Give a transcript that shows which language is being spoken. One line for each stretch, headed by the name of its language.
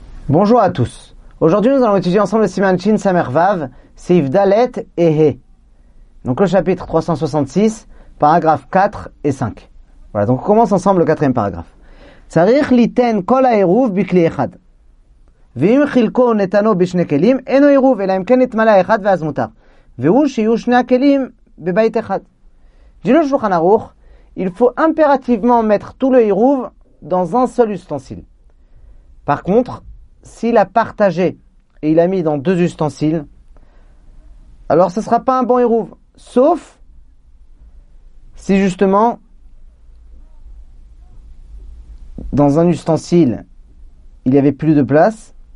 French: Bonjour à tous. Aujourd'hui, nous allons étudier ensemble le Siman Chin Samer Vav, Seif Dalet et He. Donc le chapitre 366, paragraphes 4 et 5. Voilà, donc on commence ensemble le quatrième paragraphe.
Hebrew: צריך ליתן כל העירוב בכלי אחד. ואם חילקו נתנו בשני כלים, אינו עירוב, אלא אם כן נתמלא אחד ואז מותר. והוא שיהיו שני הכלים בבית אחד. דינו שולחן ערוך,
French: il faut impérativement mettre tout le עירוב dans un seul ustensile. Par contre, s'il a partagé et il a mis dans deux ustensiles, alors ce ne sera pas un bon עירוב, sauf si justement dans un ustensile, il n'y avait plus de place.